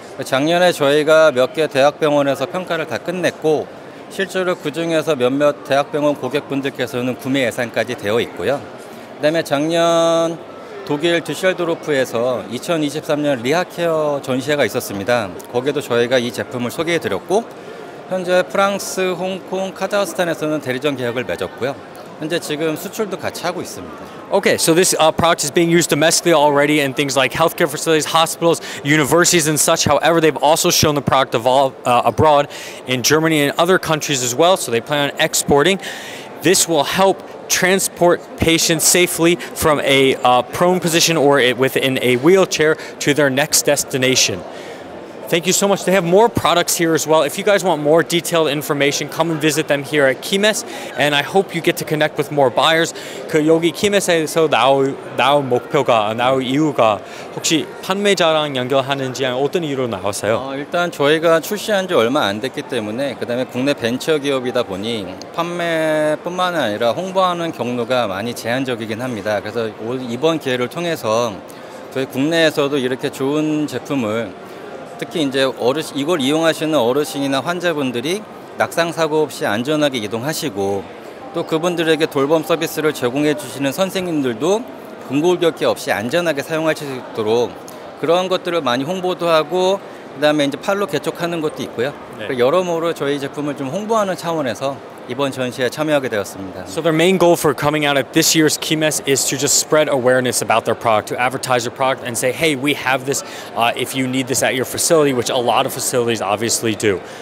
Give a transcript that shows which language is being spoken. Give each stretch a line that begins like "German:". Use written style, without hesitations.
Korean: 작년에 저희가 몇 개 대학병원에서 평가를 다 끝냈고 실제로 그중에서 몇몇 대학병원 고객분들께서는 구매 예상까지 되어 있고요. 그다음에 작년 독일 듀셀도르프에서 2023년 리하케어 전시회가 있었습니다. 거기에도 저희가 이 제품을 소개해드렸고 현재 프랑스, 홍콩, 카자흐스탄에서는 대리점 계약을 맺었고요. 현재 지금 수출도 같이 하고 있습니다.
English: Okay, so this product is being used domestically already in things like healthcare facilities, hospitals, universities and such. However, they've also shown the product abroad in Germany and other countries as well, so they plan on exporting. This will help transport patients safely from a prone position or within a wheelchair to their next destination. Thank you so much. They have more products here as well. If you guys want more detailed information, come and visit them here at KIMES. And I hope you get to connect with more buyers.
Korean: 그 여기 KIMES에서 나올 목표가, 나올 이유가 혹시 판매자랑 연결하는지 어떤 이유로 나왔어요? 일단 저희가 출시한 지 얼마 안 됐기 때문에 그다음에 국내 벤처 기업이다 보니 판매뿐만 아니라 홍보하는 경로가 많이 제한적이긴 합니다. 그래서 이번 기회를 통해서 저희 국내에서도 이렇게 좋은 제품을 특히 이제 이걸 이용하시는 어르신이나 환자분들이 낙상 사고 없이 안전하게 이동하시고 또 그분들에게 돌봄 서비스를 제공해 주시는 선생님들도 근골격계 없이 안전하게 사용할 수 있도록 그런 것들을 많이 홍보도 하고 그다음에 이제 팔로 개척하는 것도 있고요. 네. 여러모로 저희 제품을 좀 홍보하는 차원에서 이번 전시회에 참여하게 되었습니다.
English: So their main goal for coming out at this year's KIMES is to just spread awareness about their product, to advertise their product and say, hey, we have this if you need this at your facility, which a lot of facilities obviously do.